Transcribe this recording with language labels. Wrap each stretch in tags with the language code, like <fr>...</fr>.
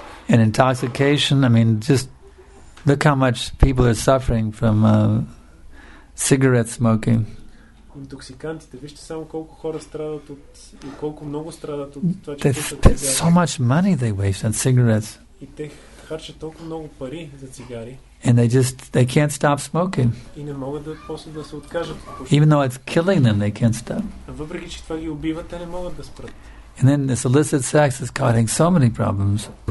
<en>And intoxication, I mean, just look how much people are suffering from cigarette smoking.</en> <bg>Интоксикантите, вижте само колко хора страдат от и колко много страдат от това, че пушат.</bg> <en>So much money they waste on cigarettes.</en> <bg>И те харчат толкова много пари за цигари.</bg> <en>And they can't stop smoking.</en> <bg>И не могат да после да се откажат от пушенето.</bg> <en>Even though it's killing them, they can't stop.</en> <bg>Въпреки че това ги убива, те не могат да спрат.</bg> <en>And then this illicit sex is causing so many problems.</en>